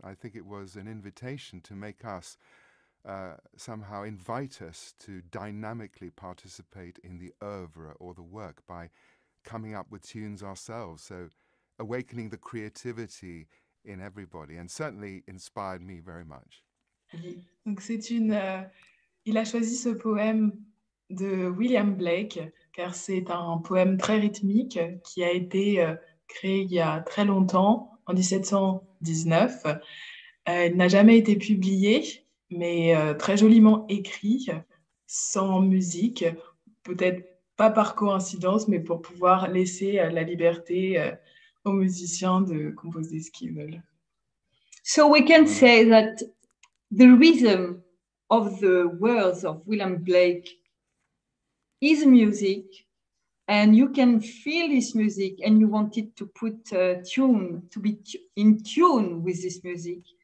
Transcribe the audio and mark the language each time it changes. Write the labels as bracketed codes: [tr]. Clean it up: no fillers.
[en] I think it was an invitation to make us somehow invite us to dynamically participate in the oeuvre or the work by coming up with tunes ourselves. So awakening the creativity in everybody, and certainly inspired me very much. [fr] Donc c'est une, il a choisi ce poème de William Blake car c'est un poème très rythmique qui a été créé il y a très longtemps, en 1719. Il n'a jamais été publié, mais très joliment écrit, sans musique, peut-être pas par coïncidence, mais pour pouvoir laisser la liberté aux musiciens de composer ce qu'ils veulent. [en] So we can say that the rhythm of the words of William Blake is music, and you can feel this music and you wanted to put a tune, to be in tune with this music.